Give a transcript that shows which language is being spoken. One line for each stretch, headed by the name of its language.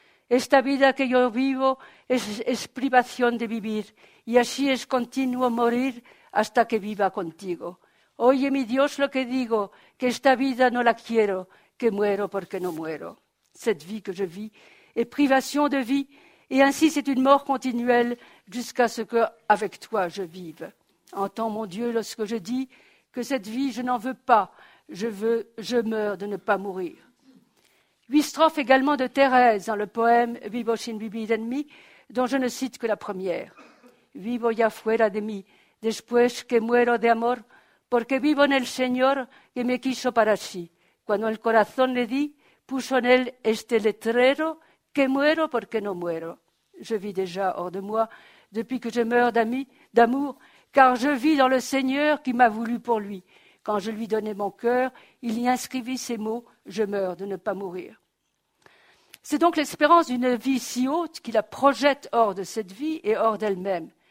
Spanish: Esta vida que yo vivo es privación de vivir, y así es continuo morir hasta que viva contigo. Oye mi Dios lo que digo, que esta vida no la quiero, que muero porque no muero.
French: Cette vie que je vis est privation de vie, et ainsi c'est une mort continuelle jusqu'à ce qu'avec toi je vive. Entends mon Dieu lorsque je dis que cette vie je n'en veux pas, je meurs de ne pas mourir. Huit strophes également de Thérèse dans le poème
Spanish: Vivo sin vivir en mí,
French: dont je ne cite que la première.
Spanish: Vivo ya fuera de mí, después que muero de amor, porque vivo en el Señor que me quiso para sí. Cuando el corazón le di, puso en él este letrero que muero porque no muero.
French: Je vis déjà hors de moi, depuis que je meurs d'amour, car je vis dans le Seigneur qui m'a voulu pour lui. Quand je lui donnais mon cœur, il y inscrivit ces mots, je meurs de ne pas mourir. C'est donc l'espérance d'une vie si haute qui la projette hors de cette vie et hors d'elle-même.